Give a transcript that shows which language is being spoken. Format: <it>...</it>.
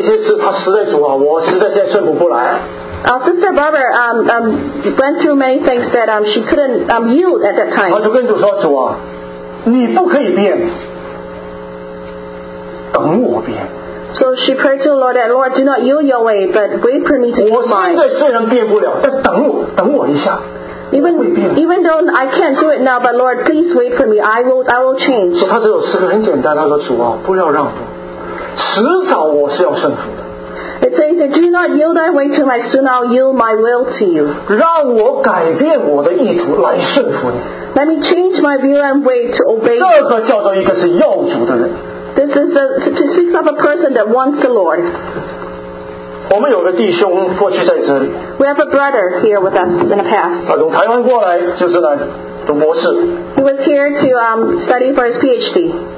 <zh>我们姊妹曾经经历过这个有一些事，她实在主啊，我实在现在顺服不来。</zh> <en>Our sister Barbara went through many things that she couldn't yield at that time.</en> <zh>她就跟主说，主啊，你不可以变，等我变。</zh> <en>So she prayed to the Lord that Lord do not yield your way, but wait for me to do mine.</en> <zh>我现在虽然变不了，但等我一下。</zh> <en>Even though I can't do it now, but Lord, please wait for me. I will change.</en> <zh>他这首诗歌很简单，他说主啊，不要让步，迟早我是要顺服的。</zh> <en>It says, "Do not yield thy way to my sin; I'll yield my will to you."</en> <zh>让我改变我的意图来顺服你。</zh> <en>Let me change my view and way to obey.</en> <zh>这个叫做一个是要主的人。</zh> <en>This is to speak of a person that wants the Lord.</en> <zh>我们有个弟兄过去在这里。</zh> <en>We have a brother here with us in the past.</en> <zh>他从台湾过来，就是来读博士。</zh> <en>He was here to study for his PhD.</en>